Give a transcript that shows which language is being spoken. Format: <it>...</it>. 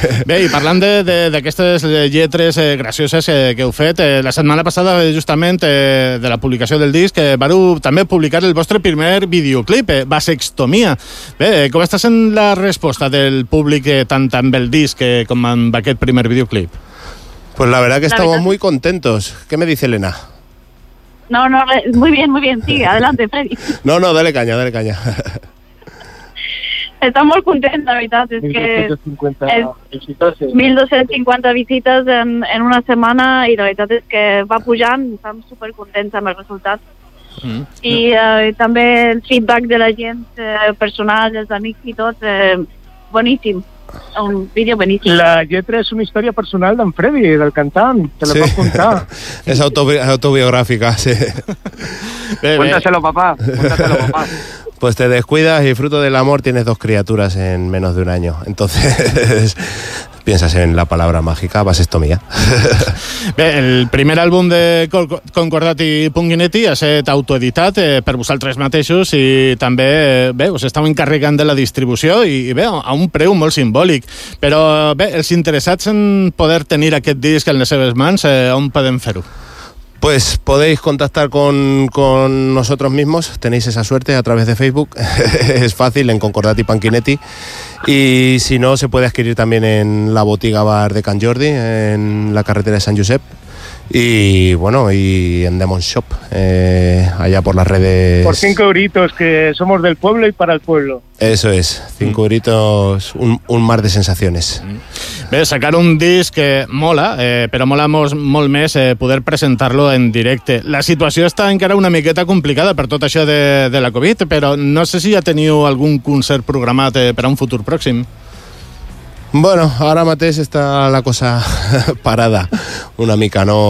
<ca>Bé, i parlant d'aquestes lletres gracioses que heu fet, la setmana passada, justament, de la publicació del disc, vareu també publicar el vostre primer videoclip, Vasectomia. Bé, com està sent la resposta del públic tant amb el disc com amb aquest primer videoclip?</ca> <es>Pues la verdad que estamos muy contentos. ¿Qué me dice Elena? No, muy bien, sí, adelante, Freddy. No, dale caña. Estamos muy contentos, la verdad, es 1250 visitas en una semana, y la verdad es que</es> <ca>va pujant,</ca> <es>estamos súper contentos con el resultado. Y también el feedback de la gente, personal, los amigos y todo, buenísimo. Un vídeo buenísimo.</es> <ca>La lletra és una història personal d'en Freddy, del cantant, te la pots contar. És autobiogràfica, sí.</ca> <es>Cuéntaselo, papá. Pues te descuidas y fruto del amor tienes dos criaturas en menos de un año. Entonces, piensas en la palabra mágica, vasectomía.</es> <ca>Bé, el primer àlbum de Concordati Punguinetti ha set autoeditat per vosaltres mateixos i també bé, us estàveu encarregant de la distribució i bé, a un preu molt simbòlic. Però bé, els interessats en poder tenir aquest disc en les seves mans, on podem fer-ho?</ca> <es>Pues podéis contactar con nosotros mismos, tenéis esa suerte a través de Facebook, es fácil, en Concordati Punguinetti, y si no, se puede adquirir también en la botiga bar de Can Jordi, en la carretera de Sant Josep, y bueno, y en Demon Shop, allá por las redes... Por 5 euritos, que somos del pueblo y para el pueblo. Eso es, 5 euritos, un mar de sensaciones.</es> <ca>Bé, sacar un disc mola, però mola molt més poder presentar-lo en directe. La situació està encara una miqueta complicada per tot això de la Covid, però no sé si ja teniu algun concert programat per a un futur pròxim.</ca> <es>Bueno, ahora mateix está la cosa parada</es> <ca>una mica.</ca>